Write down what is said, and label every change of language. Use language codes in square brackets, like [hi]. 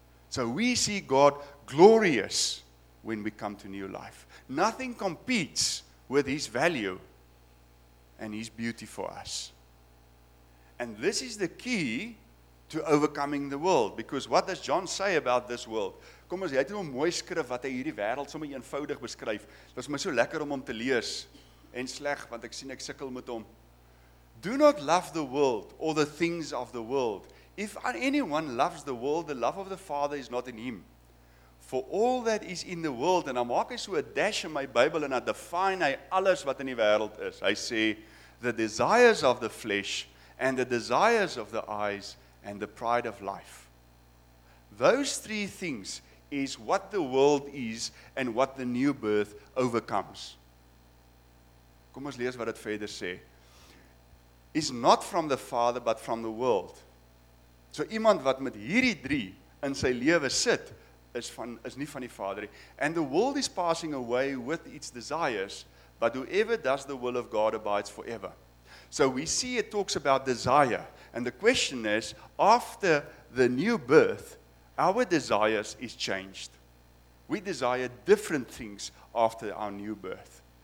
[en] So we see God glorious when we come to new life. Nothing competes with his value and his beauty for us. And this is the key to overcoming the world, because what does John say about this world? [af] Kom ons, hy het 'n mooi skrif wat hy hierdie wêreld sommer eenvoudig beskryf. Dit was my so lekker om hom te lees. En sleg, want ek sien ek sukkel met hom. [en] Do not love the world or the things of the world. If anyone loves the world, the love of the Father is not in him. For all that is in the world, [af] and I maak hy so 'n dash in my Bybel en [en] I define [af] hy alles wat in die wêreld is. Hy sê, [en] the desires of the flesh and the desires of the eyes and the pride of life. Those three things is what the world is and what the new birth overcomes. [af] Kom ons lees wat dit verder sê. [en] Is not from the Father, but from the world. [af] So iemand wat met hierdie drie in sy lewe sit, is nie van die Vader nie. [en] And the world is passing away with its desires, but whoever does the will of God abides forever. So we see it talks about desire. And the question is, after the new birth, our desires is changed. We desire different things after our new birth.